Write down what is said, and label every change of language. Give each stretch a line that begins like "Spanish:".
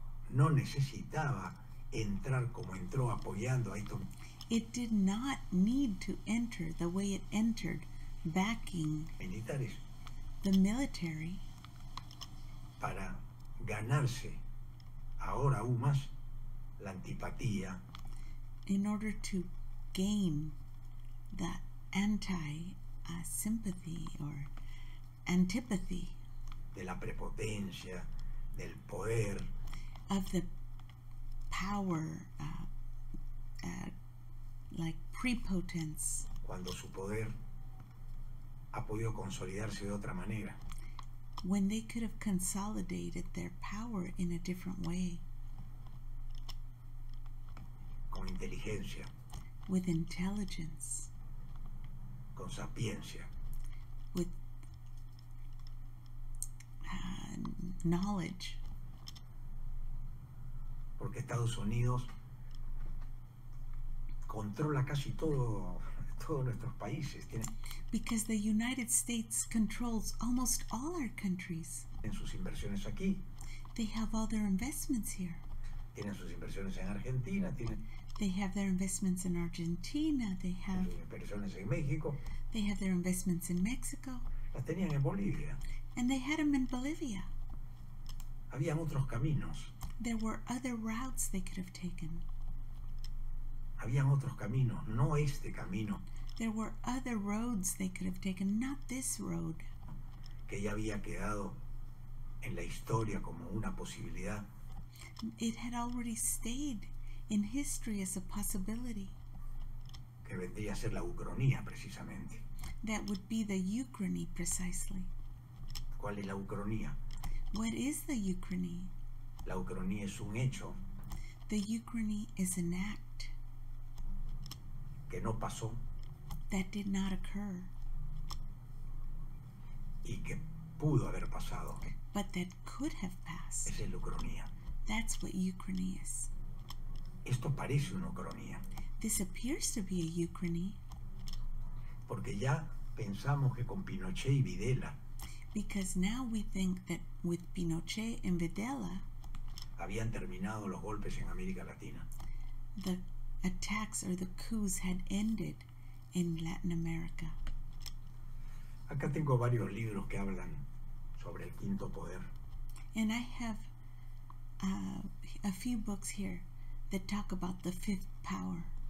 Spanish: No necesitaba entrar como entró apoyando a esto.
English: It did not need to enter the way it entered, backing
Spanish: militares.
English: The military
Spanish: para ganarse ahora aún más la antipatía.
English: In order to gain the anti sympathy or antipathy
Spanish: de la prepotencia, del poder,
English: of the power, like prepotence,
Spanish: cuando su poder ha podido consolidarse de otra manera.
English: When they could have consolidated their power in a different way.
Spanish: Con inteligencia.
English: With intelligence.
Spanish: Con sapiencia.
English: With knowledge.
Spanish: Porque Estados Unidos controla casi todo. Todos nuestros países tienen.
English: Because the United States controls almost all our countries.
Spanish: Tienen sus inversiones aquí.
English: They have all their investments here.
Spanish: Tienen sus inversiones en Argentina. Tienen.
English: They have their investments in Argentina. They have.
Spanish: Sus inversiones en México.
English: They have their investments in Mexico.
Spanish: Las tenían en Bolivia.
English: And they had them in Bolivia.
Spanish: Habían otros caminos.
English: There were other routes they could have taken.
Spanish: Habían otros caminos, no este camino.
English: There were other roads they could have taken, not this road.
Spanish: Que ya había quedado en la historia como una posibilidad.
English: It had already stayed in history as a possibility.
Spanish: Que vendría a ser la Ucrania, precisamente.
English: That would be the Ukraine, precisely.
Spanish: ¿Cuál es la Ucrania?
English: What is the Ukraine?
Spanish: La Ucrania es un hecho.
English: The Ukraine is an act.
Spanish: Que no pasó.
English: That did not occur.
Spanish: Y que pudo haber pasado.
English: But that could have passed.
Spanish: Esa es la Ucrania.
English: That's what Ukraine is.
Spanish: Esto parece una Ucrania.
English: This appears to be a Ukraine.
Spanish: Porque ya pensamos que con Pinochet y Videla.
English: Because now we think that with Pinochet and Videla.
Spanish: Habían terminado los golpes en América Latina.
English: The attacks or the coups had ended in Latin America.
Spanish: Acá tengo varios libros que hablan sobre el quinto poder.
English: And I have a few books here that talk about the fifth power.